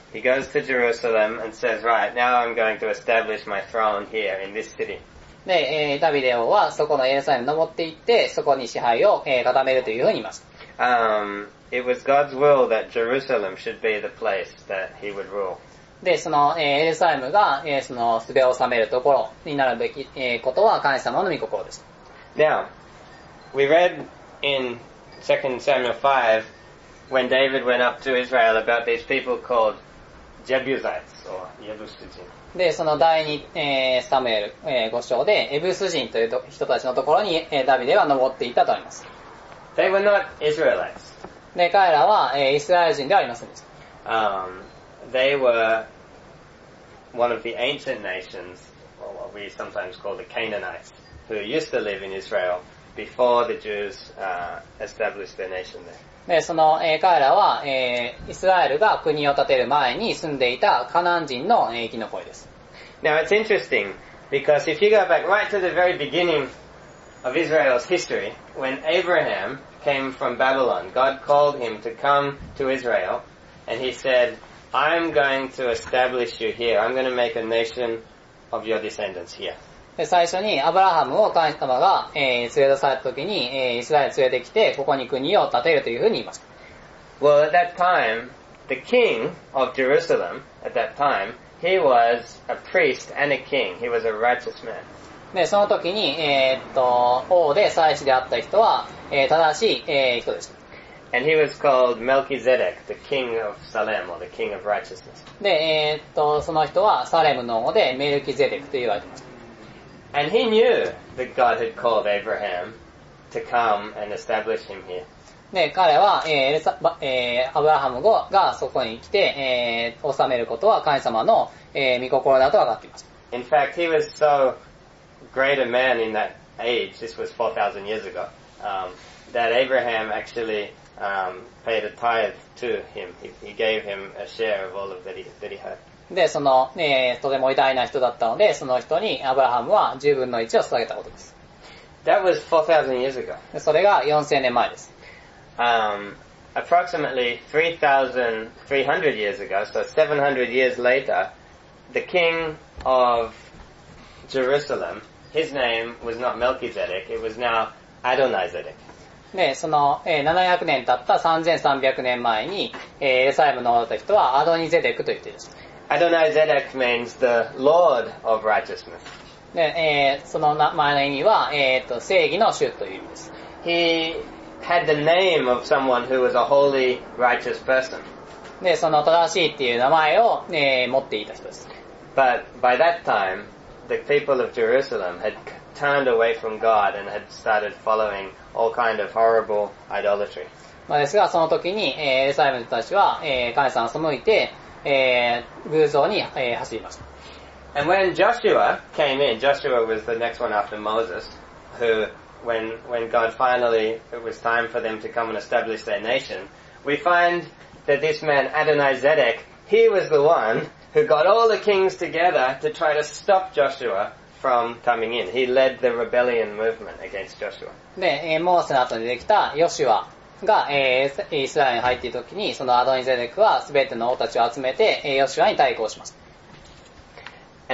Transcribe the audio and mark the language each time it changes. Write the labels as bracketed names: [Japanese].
[English] He goes to Jerusalem and says, right, now I'm going to establish my throne here in this city. [Japanese] で、ダビデ王はそこのエルサレムに登っていって、そこに支配を、固めるというふうに言いました。 [English] It was God's will that Jerusalem should be the place that he would rule. [Japanese] で、その、エルサレムが、そのすべを治めるところになるべき、ことは神様の御心でした。 [English] Now, we read in 2 Samuel 5 when David went up to Israel about these people called Jebusites or Jebusites. [Japanese] で、その第二、サムエル、五章で、エブス人という人たちのところに、ダビデは登っていたとあります。 [English] They were not Israelites. [Japanese] で、彼らは、イスラエル人ではありませんでした。 [English] They were one of the ancient nations, or what we sometimes call the Canaanites. Who used to live in Israel before the Jews, established their nation there. [Japanese] で、その、彼らは、イスラエルが国を建てる前に住んでいたカナン人の、生き残りです。 [English] Now it's interesting because if you go back right to the very beginning of Israel's history, when Abraham came from Babylon, God called him to come to Israel and he said, I'm going to establish you here. I'm going to make a nation of your descendants here. [Japanese] で最初にアブラハムを神様が、連れ出された時に、イスラエル連れてきてここに国を建てるというふうに言いました。 [English] Well, at that time, the king of Jerusalem, at that time, he was a priest and a king. He was a righteous man. [Japanese] で、その時に、王で祭司であった人は、正しい、人でした。 [English] And he was called Melchizedek, the king of Salem, or the king of righteousness. [Japanese] で、その人はサレムの王でメルキゼデクと言われています。 [English] And he knew that God had called Abraham to come and establish him here. [Japanese] で、彼は、アブラハムがそこに来て、治めることは神様の、御心だと分かっています。 [English] In fact, he was so great a man in that age, this was 4,000 years ago, that Abraham actually, paid a tithe to him. He gave him a share of all of that he had. [Japanese] で、その、とても偉大な人だったので、その人にアブラハムは10分の1を捧げたことです。 [English] That was 4,000 years ago. [Japanese] それが4,000年前です。 [English] Approximately 3,300 years ago, so 700 years later, the king of Jerusalem, his name was not Melchizedek, it was now Adonai Zedek. [Japanese] で、その、700年経った3,300年前に、エルサレムの王だった人はアドニゼデクと言っているんです。 [English] Adonai Zedek means the Lord of Righteousness. [Japanese] で、その前の意味は、正義の主という意味です。 [English] He had the name of someone who was a holy, righteous person. [Japanese] で、その正しいっていう名前を、持っていた人です。 [English] But by that time, the people of Jerusalem had turned away from God and had started following all kind of horrible idolatry. [Japanese] まあですが、その時に、エルサレムの人たちは、神様を背いて、偶像に、走りました。 [English] And when Joshua came in, Joshua was the next one after Moses, who, when God finally, it was time for them to come and establish their nation, we find that this man, Adonai Zedek, he was the one who got all the kings together to try to stop Joshua from coming in. He led the rebellion movement against Joshua. [Japanese] で、モーセの後に出てきたヨシュア。が、イスラエルに入っているときに、そのアドニゼデクはすべての王たちを集めて、ヨシュアに対抗しました。